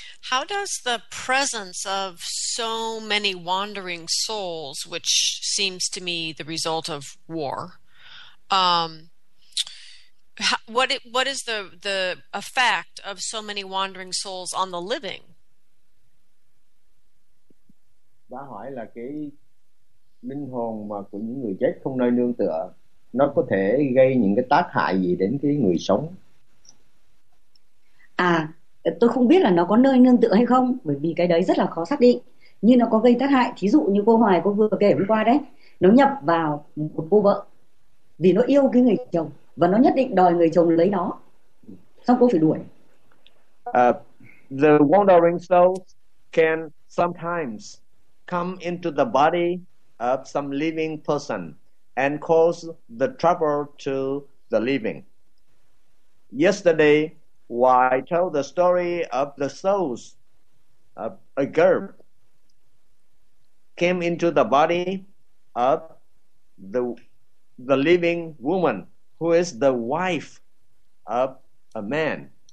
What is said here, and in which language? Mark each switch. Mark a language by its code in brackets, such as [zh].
[en] How does the presence of so many wandering souls, which seems to me the result of war, What is the effect of so many wandering souls on the living? [vi] Bà hỏi là cái linh hồn mà của những người chết không nơi nương tựa, nó có thể gây những cái tác hại gì đến cái người sống? À, tôi không biết là nó có nơi nương tựa hay không, bởi vì cái đấy rất là khó xác định. Nhưng nó có gây tác hại, thí dụ như cô Hoài cô vừa kể hôm qua đấy, nó nhập vào một cô vợ vì nó yêu cái người chồng. Và nó nhất định đòi người chồng lấy nó. Xong cô phải đuổi. [en] The wandering souls can sometimes come into the body of some living person and cause the trouble to the living. Yesterday, I told the story of the souls of a girl came into the body of the living woman, who is the wife of a man.